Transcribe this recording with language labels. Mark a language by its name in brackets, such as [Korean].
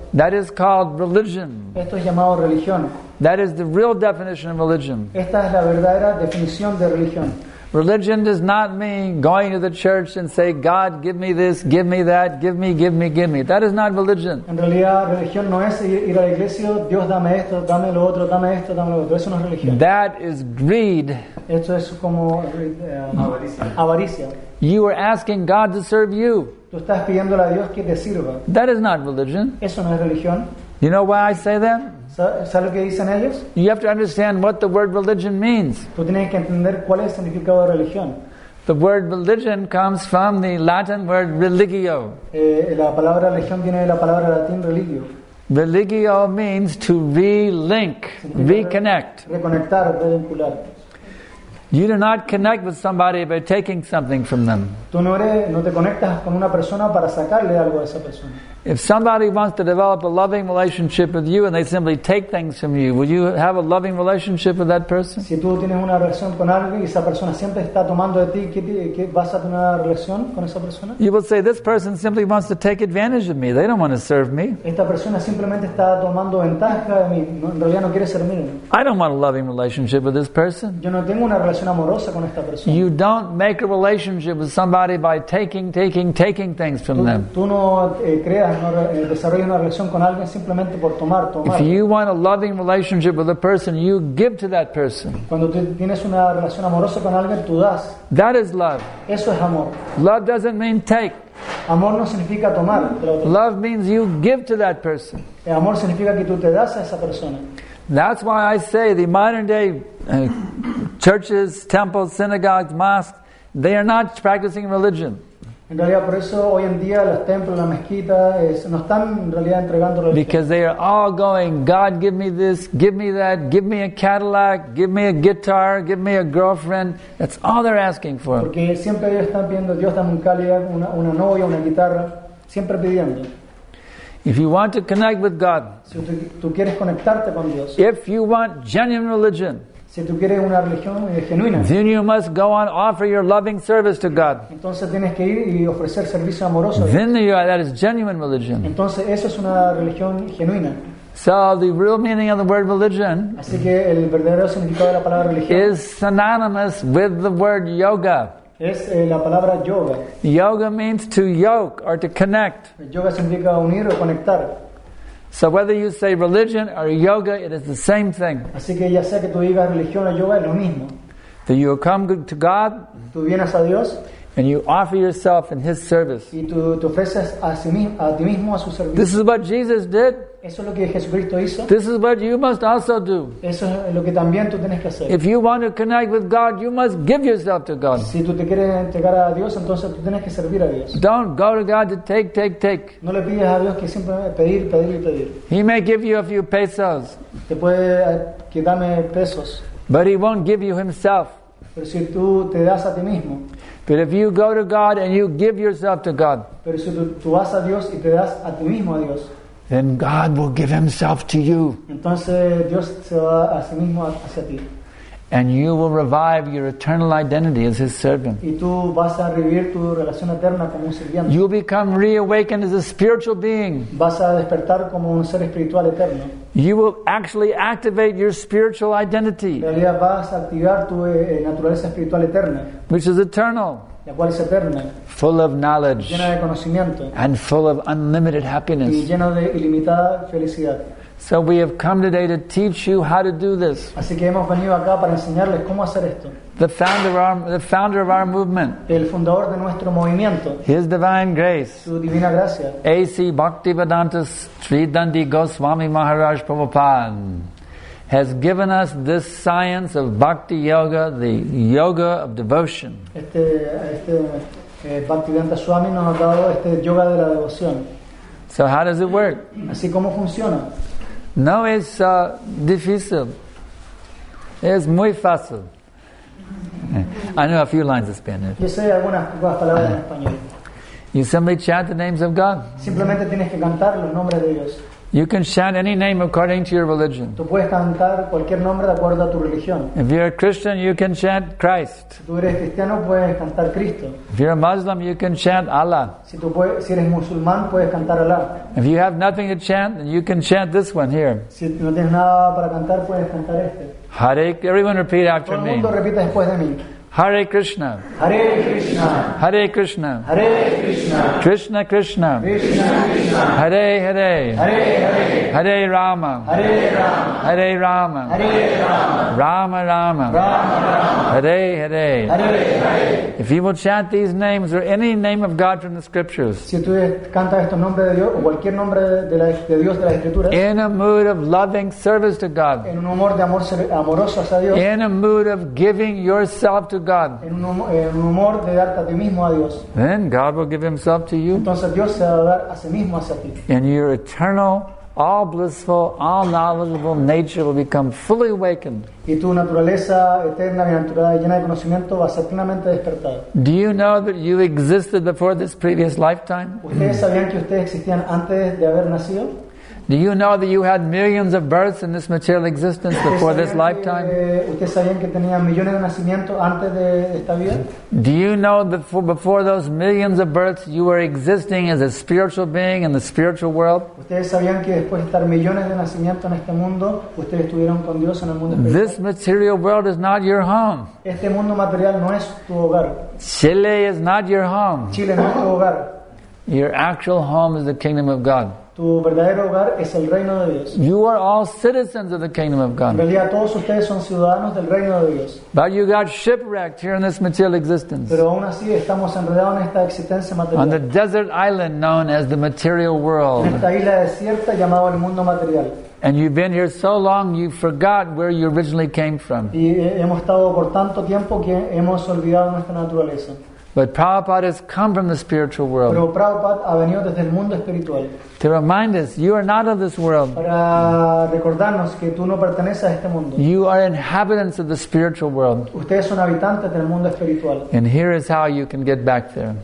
[English] That is called religion. [Spanish] Esto es llamado religión. [English] That is the real definition of religion. [Spanish] Esta es la verdadera definición de religión. [English] Religion does not mean going to the church and say, God, give me this, give me that, give me, give me, give me. That is not religion. [Spanish] En realidad, religión no es ir a la iglesia, Dios dame esto, dame lo otro, dame esto, dame lo otro. Eso no es religión. [English] That is greed. [Spanish] Esto es como avaricia. [English] You are asking God to serve you. [Spanish] Tú estás pidiéndole a Dios que te sirva. [English] That is not religion. [Spanish] Eso no es religión. [English] You know why I say that? [Spanish] ¿Sabes lo que dicen ellos? [English] You have to understand what the word religion means. [Spanish] Tú tienes que entender cuál es el significado de religión. [English] The word religion comes from the Latin word religio. [Spanish] La palabra religión viene de la palabra latín religio. [English] Religio means to relink, reconnect. [Spanish] Reconectar, revincular. [English] You do not connect with somebody by taking something from them. [Spanish] Tú no te conectas con una persona para sacarle algo a esa persona. [English] If somebody wants to develop a loving relationship with you and they simply take things from you, will you have a loving relationship with that person? [Spanish] Si tú tienes una relación con alguien y esa persona siempre está tomando de ti, ¿qué vas a tener una relación con esa persona? [English] You will say, this person simply wants to take advantage of me. They don't want to serve me. [Spanish] Esta persona simplemente está tomando ventaja de mí. No, en realidad no quiere servirme. [English] I don't want a loving relationship with this person. [Spanish] Yo no tengo una relación amorosa con esta persona. [English] You don't make a relationship with somebody by taking things from them. [Spanish] Tú no creas. Desarrolla una relación con alguien simplemente por tomar. [English] If you want a loving relationship with a person, you give to that person. [Spanish] Cuando tienes una relación amorosa con alguien, tú das. [English] That is love. [Spanish] Eso es amor. [English] Love doesn't mean take. [Spanish] Amor no significa tomar. [English] Love means you give to that person. [Spanish] El amor significa que tú te das a esa persona. [English] That's why I say the modern day churches, temples, synagogues, mosques, they are not practicing religion. [Spanish] En realidad, por eso hoy en día los templos, las mezquitas, no están en realidad entregando religión. [English] Because they are all going, God, give me this, give me that, give me a Cadillac, give me a guitar, give me a girlfriend. That's all they're asking for. [Spanish] Porque siempre ellos están pidiendo, Dios, dame un Cadillac, una novia, una guitarra, siempre pidiendo. [English] If you want to connect with God, [Spanish] si tú quieres conectarte con Dios, [English] if you want genuine religion, [Spanish] si tú quieres una religión genuina, [English] then you must go on offer your loving service to God. [Spanish] Entonces tienes que ir y ofrecer servicio amoroso. [English] Then that is genuine religion. [Spanish] Entonces eso es una religión genuina. [English] So the real meaning of the word religion, [Spanish] así que el verdadero significado de la palabra religión, [English] is synonymous with the word yoga. [Spanish] Es la palabra yoga. [English] Yoga means to yoke or to connect. [Spanish] Yoga significa unir o conectar. [English] So whether you say religion or yoga, it is the same thing. [Spanish] Así que ya sea que tú digas religión o yoga, es lo mismo. [English] So you come to God, [Spanish] tú vienes a Dios, [English] and you offer yourself in His service. [Spanish] Y tú te ofreces a ti mismo a su servicio. [English] This is what Jesus did. [Spanish] Eso es lo que Jesucristo hizo. [English] This is what you must also do. [Spanish] Eso es lo que también tú tienes que hacer. [English] If you want to connect with God, you must give yourself to God. [Spanish] Si tú te quieres entregar a Dios, entonces tú tienes que servir a Dios. [English] Don't go to God to take. [Spanish] No le pides a Dios que siempre pedir. [English] He may give you a few pesos. [Spanish] Te puede que dame pesos. [English] But He won't give you Himself. [Spanish] Pero si tú te das a ti mismo. [English] But if you go to God and you give yourself to God, [Spanish] pero si tú vas a Dios y te das a ti mismo a Dios, [English] then God will give Himself to you. [Spanish] Entonces Dios se va a sí mismo hacia ti. [English] And you will revive your eternal identity as His servant. [Spanish] Y tú vas a revivir tu relación eterna como un sirviente. [English] You'll become reawakened as a spiritual being. [Spanish] Vas a despertar como un ser espiritual eterno. [English] You will actually activate your spiritual identity. [Spanish] En realidad vas a activar tu naturaleza espiritual eterna. [English] Which is eternal. [Spanish] La cual es eterna. [English] Full of knowledge. [Spanish] Llena de conocimiento. [English] And full of unlimited happiness. [Spanish] Y lleno de ilimitada felicidad. [English] So we have come today to teach you how to do this. [Spanish] Así que hemos venido acá para enseñarles cómo hacer esto. [English] The founder of our movement. [Spanish] El fundador de nuestro movimiento. [English] His divine grace. [Spanish] Su divina gracia. [English] A.C. Bhaktivedanta Sri Dandi Goswami Maharaj Prabhupada has given us this science of bhakti yoga, the yoga of devotion. [Spanish] Bhaktivedanta Swami nos ha dado este yoga de la devoción. [English] So how does it work? [Spanish] Así cómo funciona. No es difícil. Es muy fácil. [English] I know a few lines of Spanish. [Spanish] Yo sé algunas palabras en español. [English] You simply chant the names of God. [Spanish] Simplemente tienes que cantar los nombres de Dios. [English] You can chant any name according to your religion. [Spanish] Tú puedes cantar cualquier nombre de acuerdo a tu religión. [English] If you're a Christian, you can chant Christ. [Spanish] Si tú eres cristiano, puedes cantar Cristo. [English] If you're a Muslim, you can chant Allah. [Spanish] Si tú puedes, si eres musulmán, puedes cantar Allah. [English] If you have nothing to chant, then you can chant this one here. [Spanish] Si no tienes nada para cantar, puedes cantar este. [English] Hare, everyone repeat after [Spanish] me. Todo el mundo repite después de mí. [Sanskrit] Hare Krishna. Hare Krishna. Hare Krishna. Hare Krishna. Krishna Krishna. Krishna Krishna. Hare Hare. Hare Hare. Hare Rama. Hare Rama. Hare Rama. Hare Rama. Rama Rama. Rama Rama. Hare Hare. Hare Hare. [English] If you will chant these names or any name of God from the scriptures, [Spanish] si tú cantas estos nombres de Dios o cualquier nombre de Dios de las escrituras, [English] in a mood of loving service to God, [Spanish] en un humor de amor amoroso hacia Dios, [English] in a mood of giving yourself to God, [Spanish] en un humor de darte a ti mismo a Dios, [English] then God will give himself to you. [Spanish] Entonces Dios se va a dar a sí mismo hacia ti. [English] And your eternal, all blissful, all knowledgeable nature will become fully awakened. [Spanish] Y tu naturaleza eterna, bienaventurada y llena de conocimiento va a ser plenamente despertada. [English] Do you know that you existed before this previous lifetime? [Spanish] ¿Ustedes sabían que ustedes existían antes de haber nacido? [English] Do you know that you had millions of births in this material existence before this lifetime? [Spanish] ¿Ustedes sabían que tenían millones de nacimientos antes de esta vida? [English] Do you know that before those millions of births you were existing as a spiritual being in the spiritual world? [Spanish] ¿Ustedes sabían que después de estar millones de nacimientos en este mundo, ustedes estuvieron con Dios en el mundo espiritual? [English] This material world is not your home. [Spanish] Este mundo material no es tu hogar. [English] Chile is not your home. [Spanish] Chile no es tu hogar. [English] Your actual home is the kingdom of God. [Spanish] Tu verdadero hogar es el reino de Dios. [English] You are all citizens of the kingdom of God. [Spanish] En realidad, todos ustedes son ciudadanos del reino de Dios. [English] But you got shipwrecked here in this material existence. [Spanish] Pero aún así estamos enredados en esta existencia material. [English] On the desert island known as the material world. [Spanish] En esta isla desierta llamada el mundo material. [English] And you've been here so long you forgot where you originally came from. [Spanish] Y hemos estado por tanto tiempo que hemos olvidado nuestra naturaleza. [English] But Prabhupada has come from the spiritual world. [Spanish] Pero Prabhupada ha venido desde el mundo espiritual. [English] To remind us, you are not of this world. [Spanish] Para recordarnos que tú no perteneces a este mundo. [English] You are inhabitants of the spiritual world. [Spanish] Ustedes son habitantes del mundo espiritual. [English] And here is how you can get back there.